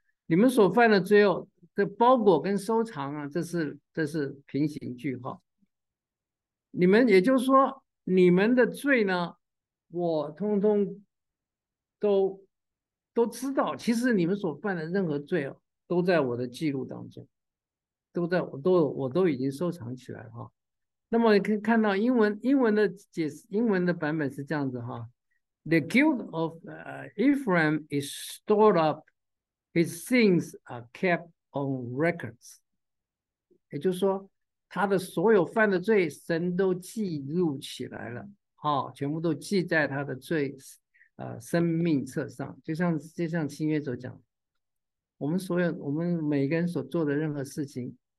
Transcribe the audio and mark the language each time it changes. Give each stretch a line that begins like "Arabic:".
Chinese: 你们所犯的罪哦，这包裹跟收藏啊，这是平行句号。你们也就是说，你们的罪呢，我通通都知道。其实你们所犯的任何罪哦，都在我的记录当中。都在我都已经收藏起来哈。那么你可以看到英文的解释，英文的版本是这样子哈：
English: The guilt of Ephraim is stored up, his sins are kept on records。
Chinese: 也就是说，他的所有犯的罪，神都记录起来了，哈，全部都记在他的罪生命册上，就像新约所讲，我们每个人所做的任何事情。